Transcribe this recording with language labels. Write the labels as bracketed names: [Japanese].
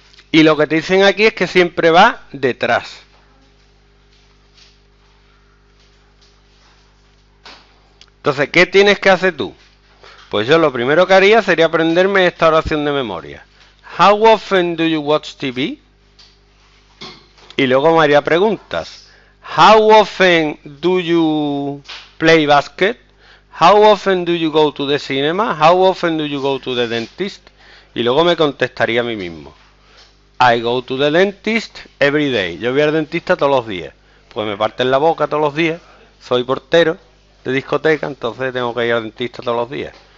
[Spanish] Y lo que te dicen aquí es que siempre va detrás. Entonces, ¿qué tienes que hacer tú? Pues yo lo primero que haría sería aprenderme esta oración de memoria. [English] How often do you watch TV? [Spanish] Y luego me haría preguntas. [English] How often do you play basket? How often do you go to the cinema? How often do you go to the dentist? [Spanish] Y luego me contestaría a mí mismo. [English] I go to the dentist every day. [Spanish] Yo voy al dentista todos los días. Pues me parten la boca todos los días. Soy portero de discoteca, entonces tengo que ir al dentista todos los días.